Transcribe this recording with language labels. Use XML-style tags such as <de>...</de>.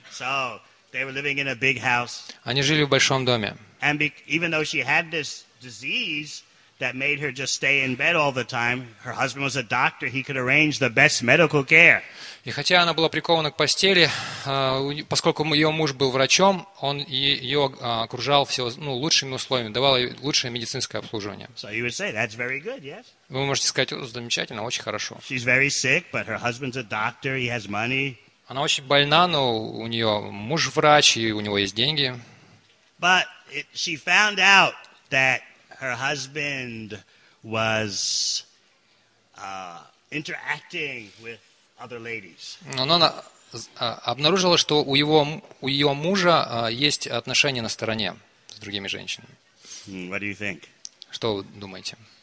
<en>So they were living in a big house.</en> <ru>Они жили в большом доме.</ru> <en>And even though she had this disease that made her just stay in bed all the time, her husband was a doctor, he could arrange the best medical care.</en> <ru>И хотя она была прикована к постели, поскольку ее муж был врачом, он ее окружал все, ну, лучшими условиями, давал ей лучшее медицинское обслуживание.</ru> <en>So you would say, that's very good, yes?</en> <ru>Вы можете сказать, замечательно, очень хорошо.</ru> <en>She's very sick, but her husband's a doctor, he has money.</en> <ru>Она очень больна, но у нее муж врач, и у него есть деньги.</ru> <en>But she found out that her husband was interacting with other ladies.</en> <ru>Но она обнаружила, что у ее мужа есть отношения на стороне с другими женщинами.</ru> <en>What do you think?</en> <ru>Что вы думаете?</ru>